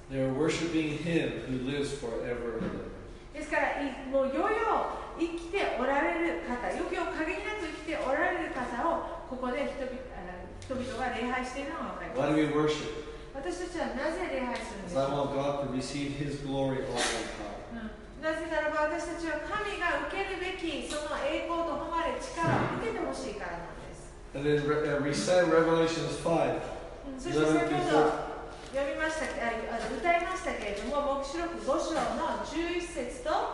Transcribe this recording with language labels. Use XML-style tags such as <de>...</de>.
<en>They are worshiping him who lives forever.</en> <ja>ですから、もうよよ生きておられる方、よよ限りなく生きておられる方をここで 人々が礼拝しているのが分かります。</ja> <en>Why do we worship?</en> <ja>私たちはなぜ礼拝するんですか。</ja> <en>Because I want God to receive his glory all the time.</en> <ja>なぜならば、私たちは神が受けるべきその栄光と誉れ、力を受けてほしいからなんです。</ja> <en>And then we sang Revelation 5.</en> <ja>そして先ほど読みました、歌いましたけれども、黙示録5章の11節と、</ja>